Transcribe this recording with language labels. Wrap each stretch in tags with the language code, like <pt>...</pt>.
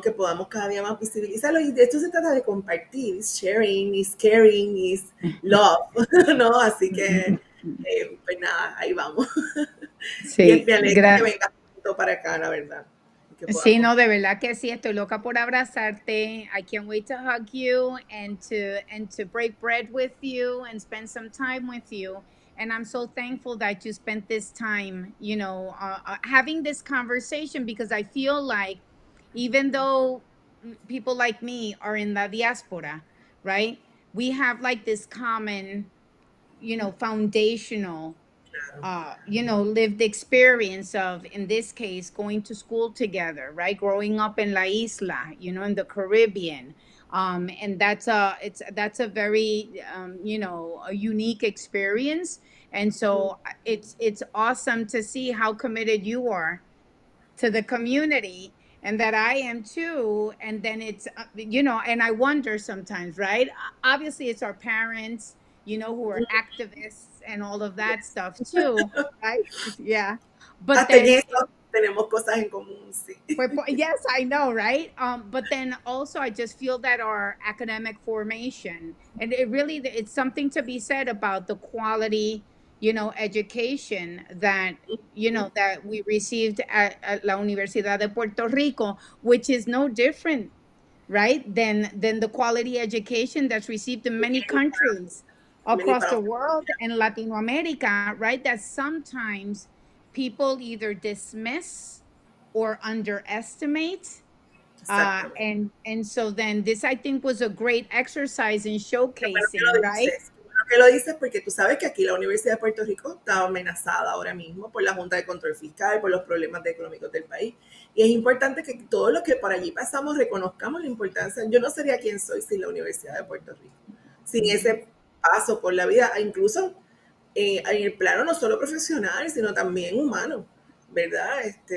<es>Que podamos cada día más visibilizarlo. Y de hecho se trata de compartir, es</es> <en>sharing,</en> <es>es</es> <en>caring,</en> <es>es</es> <en>love,</en> <es>¿no? Así que, pues nada, ahí vamos. Sí, gracias. Que venga todo para acá, la verdad. Sí, no, de verdad que sí, estoy loca por abrazarte.</es> <en>I can't wait to hug you and to break bread with you and spend some time with you. And I'm so thankful that you spent this time, you know, having this conversation, because I feel like even though people like me are in the diaspora, right, we have like this common, you know, foundational you know, lived experience of, in this case, going to school together, right? Growing up in La Isla, you know, in the Caribbean. And that's a very, you know, a unique experience. And so it's awesome to see how committed you are to the community and that I am too. And then it's, you know, and I wonder sometimes, right? Obviously it's our parents, you know, who are activists and all of that stuff too, right? Yeah. But</en> <es>tenemos cosas en común, sí.</es> <en>Yes, I know, right? But then also I just feel that our academic formation, and it really, it's something to be said about the quality, you know, education that, you know, that we received at La Universidad de Puerto Rico, which is no different, right, than the quality education that's received in many countries across the world and Latinoamerica, right? That sometimes people either dismiss or underestimate. Exactly. And so then this, I think, was a great exercise in showcasing, right?</en> <es>¿Qué lo dices? Porque tú sabes que aquí la Universidad de Puerto Rico está amenazada ahora mismo por la Junta de Control Fiscal, por los problemas económicos del país. Y es importante que todos los que por allí pasamos reconozcamos la importancia. Yo no sería quien soy sin la Universidad de Puerto Rico, sin ese paso por la vida, incluso en el plano no solo profesional, sino también humano, ¿verdad?</es>